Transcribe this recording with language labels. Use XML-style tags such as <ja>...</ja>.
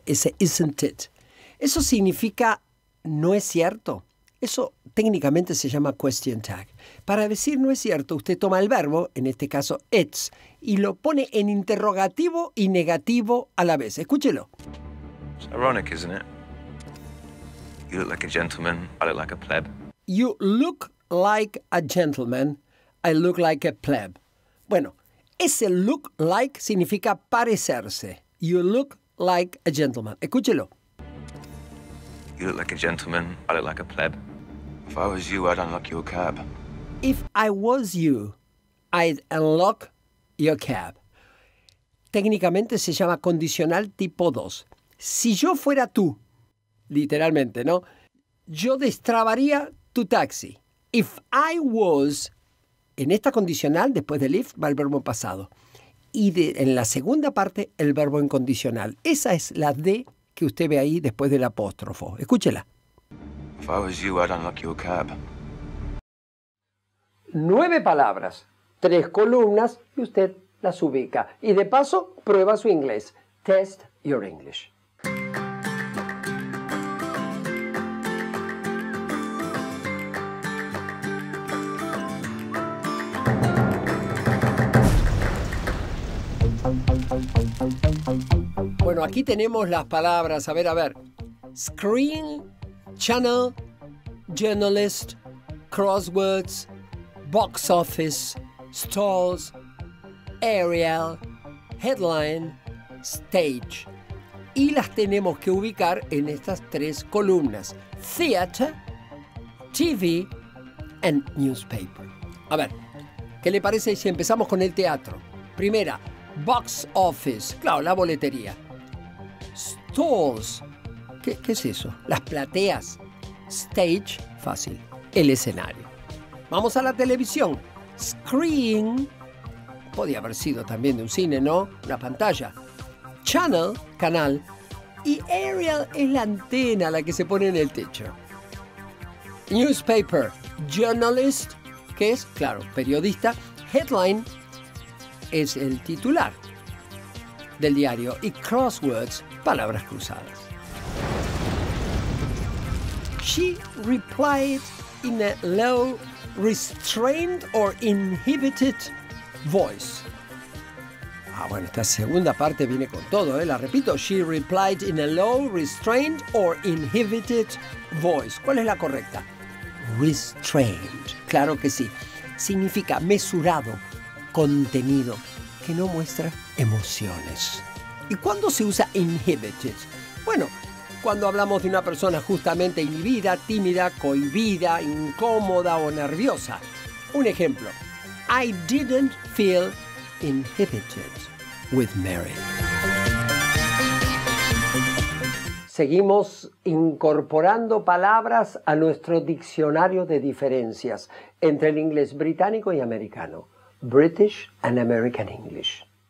<en>Ese isn't it.</en> <es>Eso significa no es cierto. Eso técnicamente se llama question tag. Para decir no es cierto, usted toma el verbo, en este caso it's, y lo pone en interrogativo y negativo a la vez. Escúchelo.</es> <en>It's ironic, isn't it? You look like a gentleman, I look like a pleb. You look like a gentleman, I look like a pleb.</en> <es>Bueno, ese look like significa parecerse.</es> <en>You look like a gentleman.</en> <es>Escúchelo.</es> <en>You look like a gentleman, I look like a pleb. If I was you, I'd unlock your cab. If I was you, I'd unlock your cab.</en> <es>Técnicamente se llama condicional tipo 2. Si yo fuera tú, literalmente, ¿no? Yo destrabaría tu taxi.</es> <en>If I was,</en> <es>en esta condicional, después del if, va el verbo en pasado. Y de, en la segunda parte, el verbo en condicional. Esa es la D que usted ve ahí después del apóstrofo. Escúchela.</es> <en>If I was you, I'd unlock your cab.</en> <es>9 palabras, 3 columnas y usted las ubica. Y de paso, prueba su inglés.</es> <en>Test your English.</en> <es>Bueno, aquí tenemos las palabras. A ver.</es> <en>Screen, channel, journalist, crosswords, box office, stalls, aerial, headline, stage.</en> <es>Y las tenemos que ubicar en estas 3 columnas.</es> <en>Theater, TV and newspaper.</en> <es>A ver, ¿qué le parece si empezamos con el teatro? Primera, box office. Claro, la boletería. Stalls. ¿Qué es eso? Las plateas. Stage. Fácil. El escenario. Vamos a la televisión. Screen. Podía haber sido también de un cine, ¿no? Una pantalla. Channel. Canal. Y aerial es la antena, la que se pone en el techo. Newspaper. Journalist. ¿Qué es? Claro, periodista. Headline. Es el titular del diario. Y crosswords, palabras cruzadas.</es> <en>She replied in a low, restrained or inhibited voice.</en> <es>Ah, bueno, esta segunda parte viene con todo, ¿eh? La repito.</es> <en>She replied in a low, restrained or inhibited voice.</en> <es>¿Cuál es la correcta? Restrained. Claro que sí. Significa mesurado, contenido, que no muestra emociones. ¿Y cuándo se usa inhibited? Bueno, cuando hablamos de una persona justamente inhibida, tímida, cohibida, incómoda o nerviosa. Un ejemplo.</es> <en>I didn't feel inhibited with Mary.</en> <es>Seguimos incorporando palabras a nuestro diccionario de diferencias entre el inglés británico y americano.</es> <en>British and American English.</en>